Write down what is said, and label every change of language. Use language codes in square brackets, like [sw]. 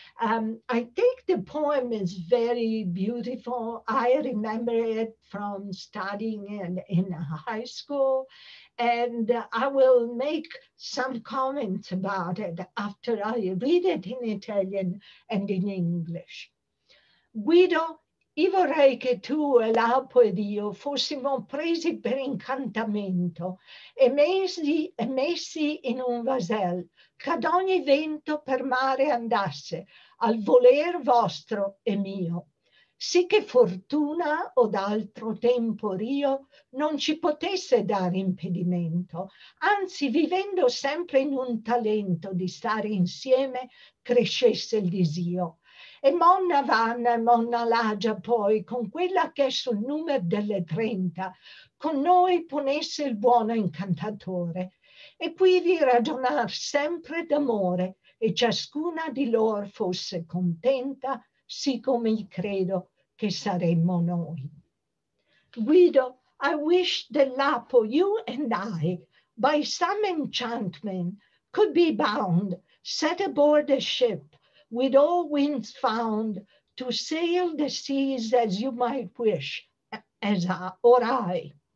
[en] I think the poem is very beautiful. I remember it from studying in high school, and I will make some comments about it after I read it in Italian and in English. [it] Guido, io vorrei che tu e l'Apo ed io fossimo presi per incantamento e messi in un vasel, ch'ad ogni vento per mare andasse, al voler vostro e mio. Sì che fortuna o d'altro tempo rio non ci potesse dare impedimento, anzi vivendo sempre in un talento di stare insieme crescesse il disio. E monna vanna e monna lagia poi, con quella che è sul numero delle 30, con noi ponesse il buono incantatore. E qui vi ragionar sempre d'amore, e ciascuna di lor fosse contenta siccome credo che saremmo noi. [en] Guido, I wish the Lapo, you and I, by some enchantment, could be bound, set aboard a ship, with all winds found, to sail the seas as you might wish, as I, or I.